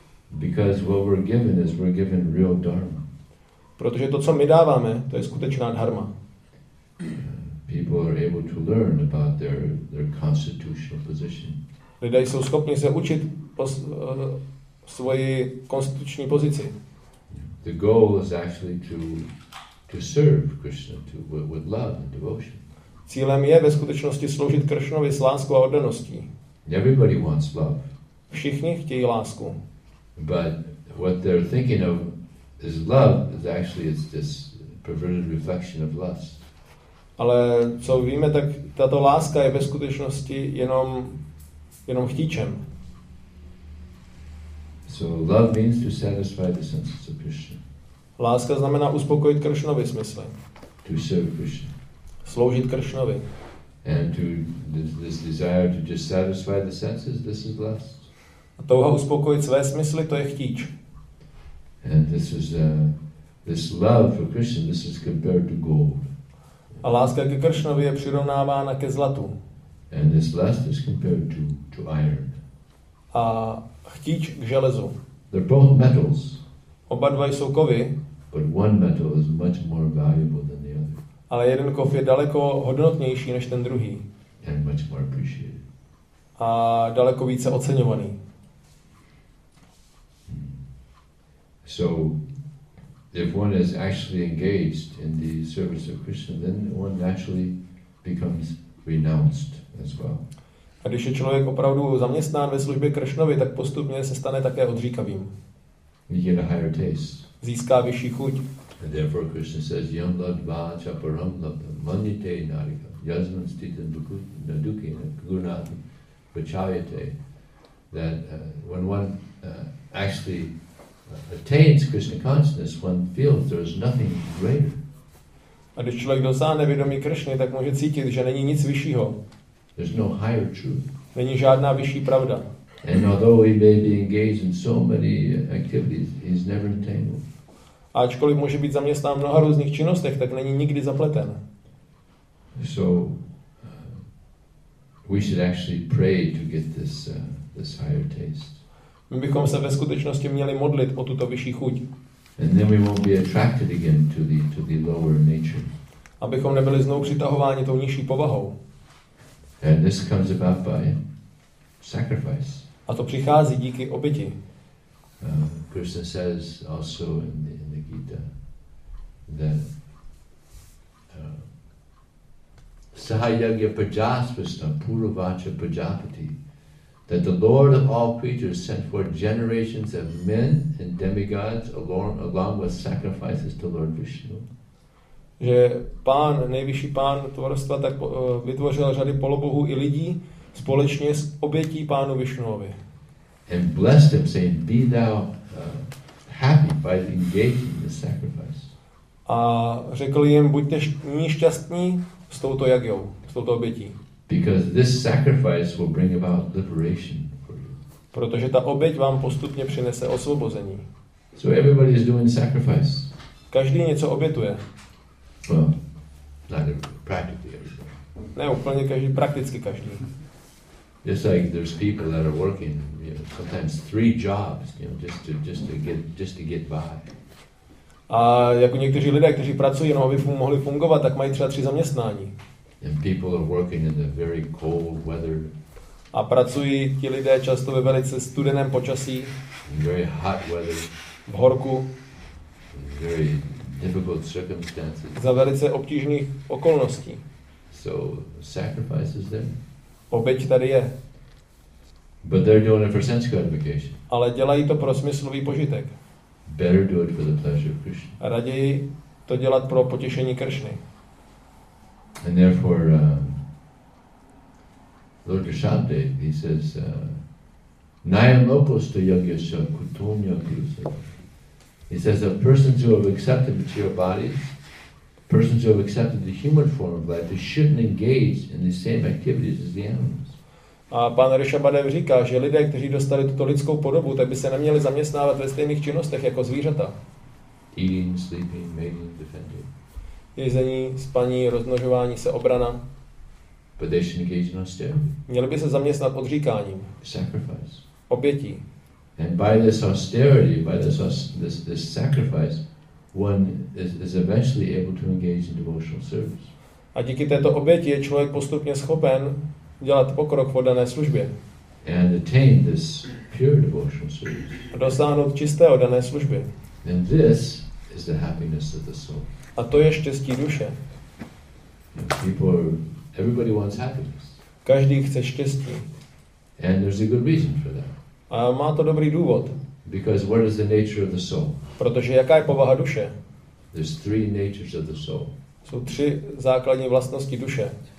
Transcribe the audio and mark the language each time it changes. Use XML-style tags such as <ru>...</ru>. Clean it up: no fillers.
<en>Because what we're given is we're given real dharma.</en> <cs>Protože to, co my dáváme, to je skutečná dharma.</cs> <en>People are able to learn about their constitutional position.</en> <cs>Lidé jsou schopni se učit o svoji konstituční pozici.</cs> <en>The goal is actually to serve Krishna with love and devotion.</en> <cs>Cílem je ve skutečnosti sloužit Kršnovi s láskou a oddaností.</cs> <en>Everybody wants love.</en> <cs>Všichni chtějí lásku.</cs> <en>But what they're thinking of is love is actually it's this perverted reflection of lust.</en> <cs>Ale co víme, tak tato láska je ve skutečnosti jenom chtíčem.</cs> <en>So love means to satisfy the senses of Krishna.</en> <cs>Láska znamená uspokojit Kršnovi smysly.</cs> <en>To serve Krishna.</en> <cs>Sloužit Kršnovi.</cs> <en>And to this desire to just satisfy the senses, this is lust.</en> <cs>A touha uspokojit své smysly, to je chtíč.</cs> <en>And this is this love for Krishna, this is compared to gold.</en> <cs>A láska ke Kršnovi je přirovnávána ke zlatu.</cs> <en>And this lust is compared to iron.</en> <cs>A chtíč k železu.</cs> <en>They're both metals.</en> <cs>Oba dva jsou kovy.</cs> <en>But one metal is much more valuable than the other.</en> <cs>Ale jeden kov je daleko hodnotnější než ten druhý.</cs> <en>And much more appreciated.</en> <cs>A daleko více oceňovaný.</cs> <en>So if one is actually engaged in the service of Krishna, then one naturally becomes renounced as well.</en> <cs>A když je člověk opravdu zaměstnán ve službě Kršnovi, tak postupně se stane také odříkavým.</cs> <en>You get a higher taste.</en> <cs>Získá vyšší chuť.</cs> <en>And therefore Krishna says,</en> <sa>yam labdva chaparam labdva manite narika yasman stitan naduki gunat vachayate,</sa> <en>that when one actually attains Krishna consciousness, one feels there is nothing greater.</en> <cs>A když člověk dosáhne vědomí Krishny, tak může cítit, že není nic vyššího.</cs> <en>There's no higher truth.</en> <cs>Není žádná vyšší pravda.</cs> <en>And although he may be engaged in so many activities, he's never entangled.</en> <cs>Ačkoliv může být zaměstnán v mnoha různých činnostech, tak není nikdy zapleten.</cs> <en>So we should actually pray to get this higher taste.</en> <cs>My bychom se ve skutečnosti měli modlit o tuto vyšší chuť.</cs> <en>And then we won't be attracted again to the lower nature.</en> <cs>Abychom nebyli znovu přitahováni tou nižší povahou.</cs> <en>And this comes about by sacrifice.</en> <cs>A to přichází díky oběti.</cs> <en>Krishna says also in the Gita that</en> <sa>sahayagya prajaspastam puravacha prajapati,</sa> <en>that the Lord of all creatures sent forth generations of men and demigods along with sacrifices to Lord Vishnu.</en> <cs>Že pán, nejvyšší pán tvorstva, tak vytvořil řady polobohů i lidí společně s obětí pánu Vishnuovi.</cs> <en>And blessed him, saying, "Be thou happy by engaging in the sacrifice."</en> <cs>A řekl jim, buďte šťastní s touto jagyou, s touto obětí.</cs> <en>Because this sacrifice will bring about liberation for you.</en> <cs>Protože ta oběť vám postupně přinese osvobození.</cs> <en>So everybody is doing sacrifice.</en> <cs>Každý něco obětuje.</cs> <en>Well, not practically everybody.</en> <cs>Ne, úplně každý, prakticky každý.</cs> <en>Just like there's people that are working, you know, sometimes three jobs, you know, just to get by.</en> <cs>A jako někteří lidé, kteří pracují, no, aby mohli fungovat, tak mají třeba tři zaměstnání.</cs> <en>And people are working in the very cold weather.</en> <cs>A pracují ti lidé často ve velice studeném počasí.</cs> <en>In very hot weather.</en> <cs>V horku.</cs> <en>In very difficult circumstances.</en> <cs>Za velice obtížných okolností.</cs> <en>So sacrifice is there.</en> <cs>Oběť tady je.</cs> <en>But they're doing it for sense gratification.</en> <cs>Ale dělají to pro smyslový požitek.</cs> <en>Better do it for the pleasure of Krishna.</en> <cs>A raději to dělat pro potěšení Kršny.</cs> <en>And therefore Lord Krishnadev, he says</en> <sa>nayam lokasya yagyasya kutonya krusa.</sa> <en>He says that persons who have accepted material bodies, persons who have accepted the human form of life, they shouldn't engage in the same activities as the animals.</en> <cs>A pan Rishabhadev říká, že lidé, kteří dostali tuto lidskou podobu, tak by se neměli zaměstnávat ve stejných činnostech jako zvířata.</cs> <en>Eating, sleeping, mating, defending.</en> <cs>Jezení, spaní, rozmnožování se, obrana.</cs> <en>But they should engage in austerity.</en> <cs>Měli by se zaměstnat odříkáním.</cs> <en>Sacrifice.</en> <cs>Obětí.</cs> <en>And by this austerity, by this sacrifice, one is eventually able to engage in devotional service.</en> <cs>A díky této oběti je člověk postupně schopen dělat pokrok v dané službě.</cs> <en>And attain this pure devotional service.</en> <cs>A dosáhnout čistého dané služby.</cs> <en>And this is the happiness of the soul.</en> <cs>A to je štěstí duše.</cs> <en>People, everybody wants happiness.</en> <cs>Každý chce štěstí.</cs> <en>And there's a good reason for that.</en> <cs>A má to dobrý důvod.</cs> <en>Because what is the nature of the soul?</en> <cs>Protože jaká je povaha duše?</cs> <en>There's three natures of the soul.</en> <cs>Jsou tři základní vlastnosti duše.</cs>